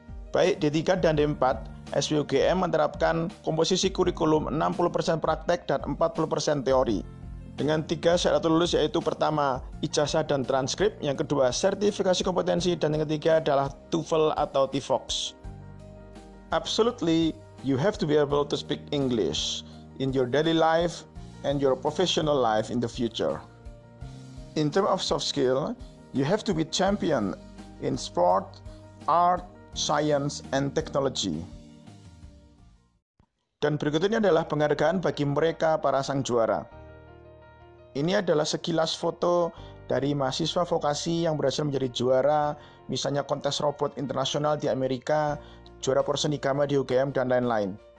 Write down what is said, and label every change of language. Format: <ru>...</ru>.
<id>Baik D3 dan D4, SBUGM menerapkan komposisi kurikulum 60% praktek dan 40% teori. Dengan 3 syarat lulus, yaitu pertama ijazah dan transkrip, yang kedua sertifikasi kompetensi, dan yang ketiga adalah TOEFL atau TFOX.</id> <en>Absolutely, you have to be able to speak English in your daily life and your professional life in the future. In terms of soft skill, you have to be champion in sport, art, science, and technology.</en> <id>Dan berikutnya adalah penghargaan bagi mereka para sang juara. Ini adalah sekilas foto dari mahasiswa vokasi yang berhasil menjadi juara, misalnya kontes robot internasional di Amerika, juara porsenikama di UGM, dan lain-lain.</id>